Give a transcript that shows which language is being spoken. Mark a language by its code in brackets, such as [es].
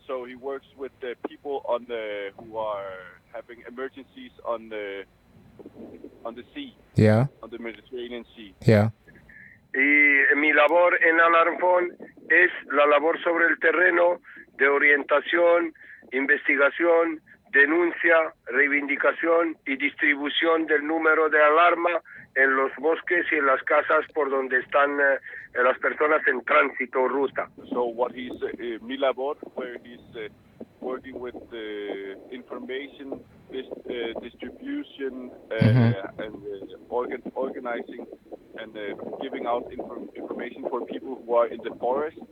[en] So he works with the people on the who are having emergencies on the sea. Yeah. On the Mediterranean Sea. Yeah. [es] Y mi labor en Alarm Phone es la labor sobre el terreno de orientación, investigación, denuncia, reivindicación y distribución del número de alarma en los bosques y en las casas por donde están las personas en tránsito o ruta. [en] So what is [es] mi labor, [en] where he's working with the information distribution and organizing and giving out information for people who are in the forest.